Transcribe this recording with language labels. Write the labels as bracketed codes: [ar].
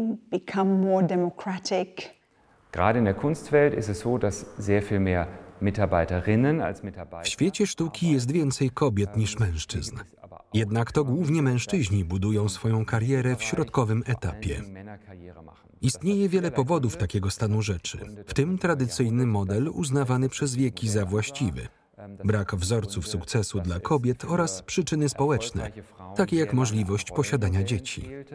[en] Become more democratic. [de] Gerade in der Kunstwelt ist es so, dass sehr viel mehr Mitarbeiterinnen als Mitarbeiter. [pl] W świecie sztuki jest więcej kobiet niż mężczyzn. Jednak to głównie mężczyźni budują swoją karierę w środkowym etapie. Istnieje wiele powodów takiego stanu rzeczy, w tym tradycyjny model uznawany przez wieki za właściwy. Brak wzorców sukcesu dla kobiet oraz przyczyny społeczne, takie jak możliwość posiadania dzieci.